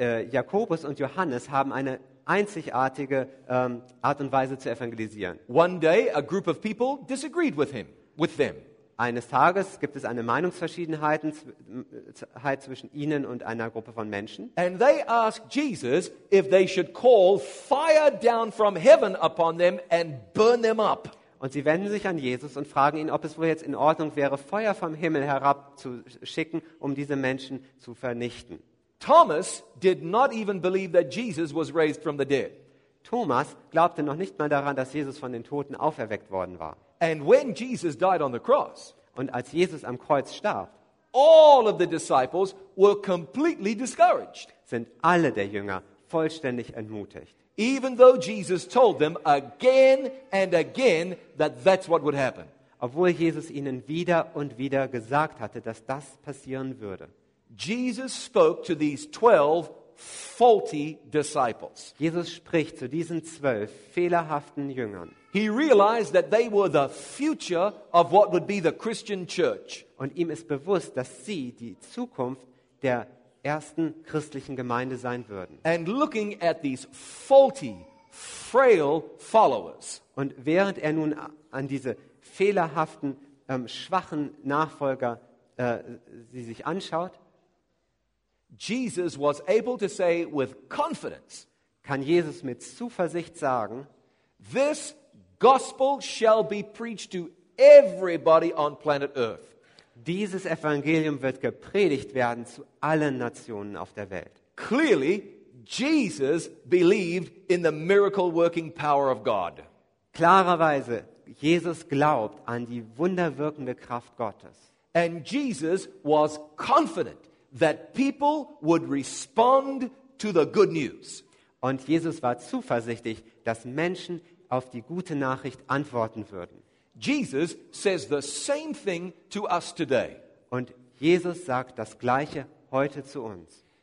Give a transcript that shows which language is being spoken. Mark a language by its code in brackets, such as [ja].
[de] Jakobus und Johannes haben eine einzigartige Art und Weise zu evangelisieren. [en] One day a group of people disagreed with him, with them. [de] Eines Tages gibt es eine Meinungsverschiedenheit zwischen ihnen und einer Gruppe von Menschen. [en] And they ask Jesus if they should call fire down from heaven upon them and burn them up. [de] Und sie wenden sich an Jesus und fragen ihn, ob es wohl jetzt in Ordnung wäre, Feuer vom Himmel herab zu schicken, um diese Menschen zu vernichten. [en] Thomas did not even believe that Jesus was raised from the dead. [de] Thomas glaubte noch nicht mal daran, dass Jesus von den Toten auferweckt worden war. [en] And when Jesus died on the cross, [de] und als Jesus am Kreuz starb, [en] all of the disciples were completely discouraged. [de] Sind alle der Jünger vollständig entmutigt. [en] Even though Jesus told them again and again that that's what would happen. [de] Obwohl Jesus ihnen wieder und wieder gesagt hatte, dass das passieren würde. [en] Jesus spoke to these 12 faulty disciples. [de] Jesus spricht zu diesen 12 fehlerhaften Jüngern. [en] He realized that they were the future of what would be the Christian church. [de] Und ihm ist bewusst, dass sie die Zukunft der ersten christlichen Gemeinde sein würden. [en] And looking at these faulty, frail followers. [de] Und während er nun an diese fehlerhaften, schwachen Nachfolger sie sich anschaut, [en] Jesus was able to say with confidence, [de] kann Jesus mit Zuversicht sagen, [en] this gospel shall be preached to everybody on planet Earth. [de] Dieses Evangelium wird gepredigt werden zu allen Nationen auf der Welt. [en] Clearly, Jesus believed in the miracle-working power of God. [de] Klarerweise, Jesus glaubt an die wunderwirkende Kraft Gottes. [en] And Jesus was confident that people would respond to the good news. [de] Und Jesus war zuversichtlich, dass Menschen auf die gute Nachricht antworten würden. [en] Jesus says the same thing to us today. [de] Und Jesus sagt das gleiche heute zu uns.